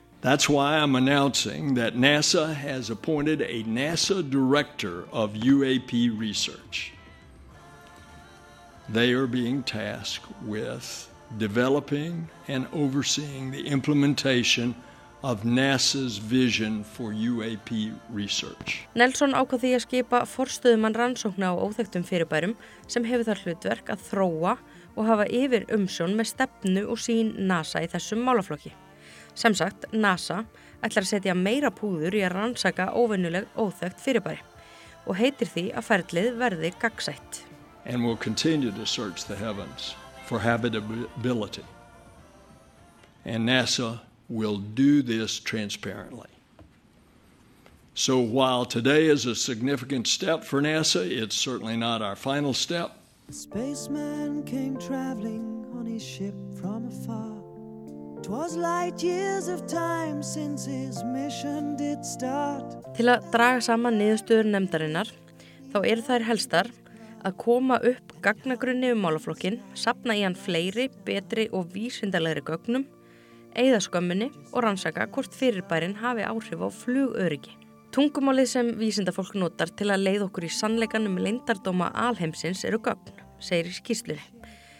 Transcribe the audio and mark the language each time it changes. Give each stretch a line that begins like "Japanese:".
English: That's why I'm announcing that NASA has appointed a NASA director of UAP research. They are being tasked with developing and overseeing the implementation of NASA's vision for UAP research.
Icelandic: Nelson ákvað því að skipa forstöðumann rannsókna á óþekktum fyrirbærum sem hefur þar hlutverk að þróa og hafa yfir umsjón með stefnu og sýn NASA í þessum málaflokki. Sem sagt, NASA ætlar að setja meira púður í að rannsaka óvenjuleg óþekkt fyrirbæri og heitir því að ferlið verði gagnsætt.
English: And we'll continue to search the heavens for habitability. And NASA will do this transparently. So while today is a significant step for NASA, it's certainly not our final step. A spaceman came traveling on his ship from afar. Was light years of time since his mission did start.
Icelandic: Til að draga saman niðurstöður nefndarinnar, þá eru þær helstar að koma upp gagnagrunni málaflokkinn, safna í hann fleiri, betri og vísindalegri gögnum, eyða skömminni og rannsaka hvort fyrirbærin hafi áhrif á flugöryggi. Tungumálið sem vísindafólk notar til að leiða okkur í sannleikanum leyndardóma alheimsins eru gögn, segir í skýrslunni.